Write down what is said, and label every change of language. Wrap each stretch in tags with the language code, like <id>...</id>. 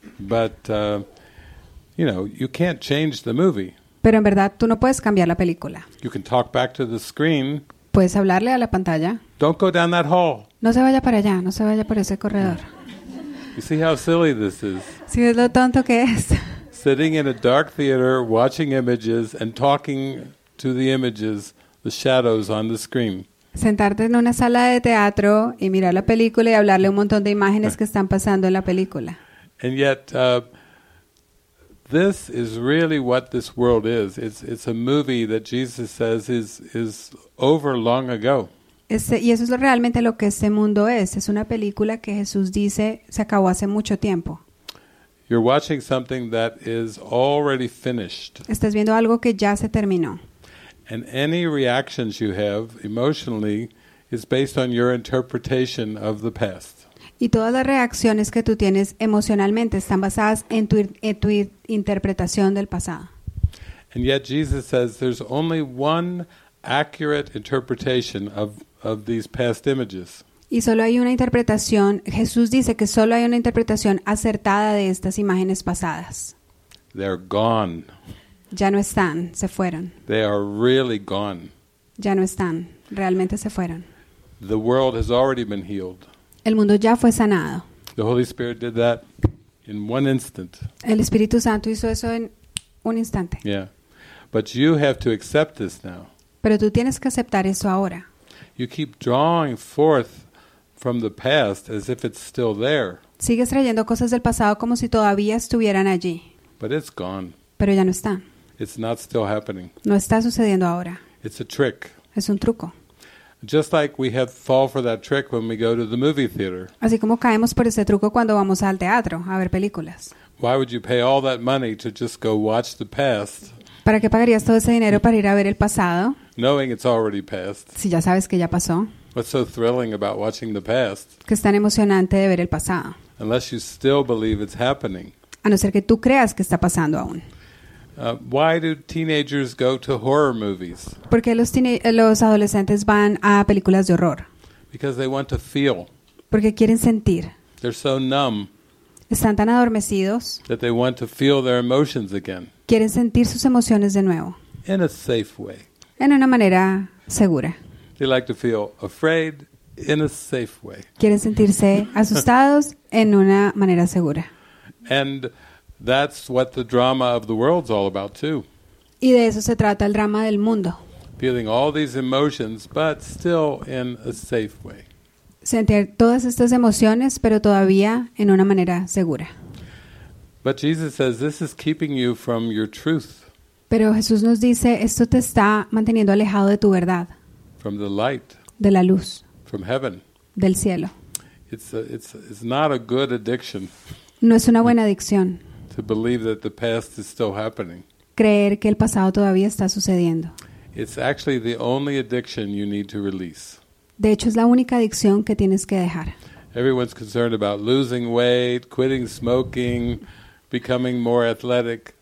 <en>But, you know, you can't change the movie.</en> <es>Pero en verdad tú no puedes cambiar la película.</es> <en>You can talk back to the screen.</en> <es>Puedes hablarle a la pantalla.</es> <en>Don't go down that hall.</en> <es>No se vaya para allá, no se vaya por ese corredor.</es> <en>You see how silly this is.</en> <es>¿Sí ves lo tonto que es?</es> <en>Sitting in a dark theater, watching images and talking to the images, the shadows on the screen.</en> <es>Sentarte en una sala de teatro y mirar la película y hablarle un montón de imágenes que están pasando en la película.</es> <en>And yet, this is really what this world is. It's a movie that Jesus says is over long ago.</en> <es>Y eso es realmente lo que este mundo es. Es una película que Jesús dice se acabó hace mucho tiempo.</es> <en>You're watching something that is already finished.</en> <es>Estás viendo algo que ya se terminó.</es> <en>And any reactions you have emotionally is based on your interpretation of the past.</en> <es>Y todas las reacciones que tú tienes emocionalmente están basadas en tu interpretación del pasado.</es> <en>And yet Jesus says there's only one accurate interpretation of these past images.</en> <es>Y solo hay una interpretación, Jesús dice que solo hay una interpretación acertada de estas imágenes pasadas.</es> <en>They're gone.</en> <es>Ya no están, se fueron.</es> <en>They are really gone.</en> <es>Ya no están, realmente se fueron.</es> <en>The world has already been healed.</en> <es>El mundo ya fue sanado.</es> <en>The Holy Spirit did that in one instant.</en> <es>El Espíritu Santo hizo eso en un instante.</es> <en>Yeah. But you have to accept this now.</en> <es>Pero tú tienes que aceptar eso ahora.</es> <en>You keep drawing forth from the past as if it's still there.</en> <es>Sigues trayendo cosas del pasado como si todavía estuvieran allí.</es> <en>But it's gone.</en> <es>Pero ya no está.</es> <en>It's not still happening.</en> <es>No está sucediendo ahora.</es> <en>It's a trick.</en> <es>Es un truco.</es> <en>Just like we have fall for that trick when we go to the movie theater.</en> <es>Así como caemos por ese truco cuando vamos al teatro a ver películas.</es> <en>Why would you pay all that money to just go watch the past?</en> <es>¿Para qué pagarías todo ese dinero para ir a ver el pasado?</es> <en>Knowing it's already passed.</en> <es>Si ya sabes que ya pasó.</es> <en>What's so thrilling about watching the past?</en> <es>¿Qué es tan emocionante de ver el pasado?</es> <en>Unless you still believe it's happening.</en> <es>A no ser que tú creas que está pasando aún.</es> <en>Why do teenagers go to horror movies?</en> <es>Porque los adolescentes van a películas de horror.</es> <en>Because they want to feel.</en> <es>Porque quieren sentir.</es> <en>They're so numb.</en> <es>Están tan adormecidos.</es> <en>That they want to feel their emotions again.</en> <es>Quieren sentir sus emociones de nuevo.</es> <en>In a safe way.</en> <es>En una manera segura.</es> <en>They like to feel afraid in a safe way.</en> <es>Quieren sentirse asustados en una manera segura.</es> <en>And that's what the drama of the world's all about too.</en> <es>Y de eso se trata el drama del mundo.</es> <en>Feeling all these emotions, but still in a safe way.</en> <es>Sentir todas estas emociones, pero todavía en una manera segura.</es> <en>But Jesus says this is keeping you from your truth.</en> <es>Pero Jesús nos dice esto te está manteniendo alejado de tu verdad.</es> <en>From the light.</en> <es>De la luz.</es> <en>From heaven.</en> <es>Del cielo.</es> <en>It's not a good addiction.</en> <es>No es una buena adicción.</es> <en>To believe that the past is still happening.</en> <es>Creer que el pasado todavía está sucediendo.</es> <en>It's actually the only addiction you need to release.</en> <es>De hecho, es la única adicción que tienes que dejar.</es> <en>Everyone's concerned about losing weight, quitting smoking, becoming more athletic.</en>